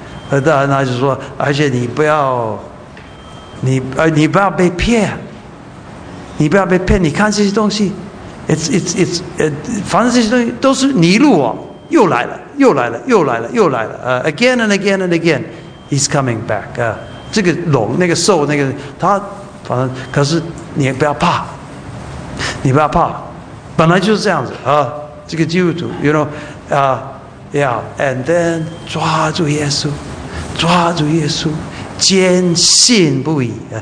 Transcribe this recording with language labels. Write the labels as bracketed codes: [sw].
[zh] 当然他就说，而且你不要被骗，你不要被骗。你看这些东西 ， [en] it's [zh] 反正这些东西都是泥路啊，又来了，又来了，又来了，又来了。 [en] Again and again and again， he's coming back。 [zh] 这个龙，那个兽，那个他，反正可是你不要怕，你不要怕，本来就是这样子啊。这个基督徒 ， [en] you know， and then [zh] 抓住耶稣，抓住耶稣。坚信不疑，